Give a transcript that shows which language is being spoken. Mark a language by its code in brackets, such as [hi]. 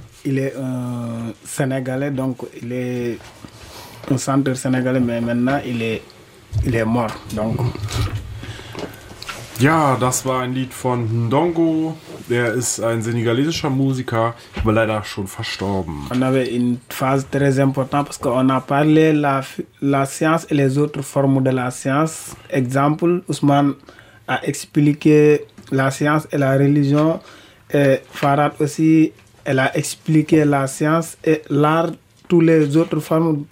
[fr] Il est sénégalais, donc il est un chanteur sénégalais, mais maintenant il est mort. Donc, [de] ja, das war ein Lied von Ndongo. Er ist ein sénégalaisischer Musiker, aber leider schon verstorben. [fr] On avait une phase très importante parce qu'on a parlé la science et les autres formes de la science. Exemple, Ousmane a expliqué la science et la religion. Et Farad aussi, elle a expliqué la science et l'art, toutes les autres formes.